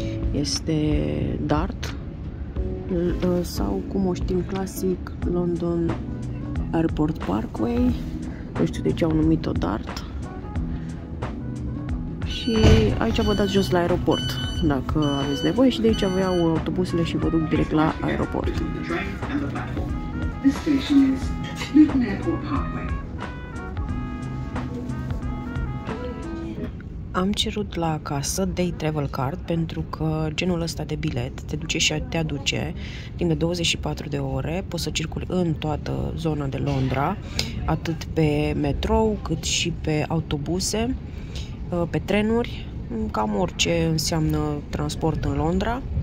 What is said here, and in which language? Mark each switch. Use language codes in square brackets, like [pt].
[ro] Este Dart sau, cum o știm clasic, London Airport Parkway. Nu știu de ce au numit-o Dart. Și aici vă dați jos la aeroport, dacă aveți nevoie, și de aici vă iau autobusele și vă duc direct la aeroport. [en] This station is Luton Airport Parkway. [ro] Am cerut la casă Day Travel Card pentru că genul ăsta de bilet te duce și te aduce timp de 24 de ore, poți să circuli în toată zona de Londra, atât pe metrou, cât și pe autobuse, pe trenuri, cam orice înseamnă transport în Londra.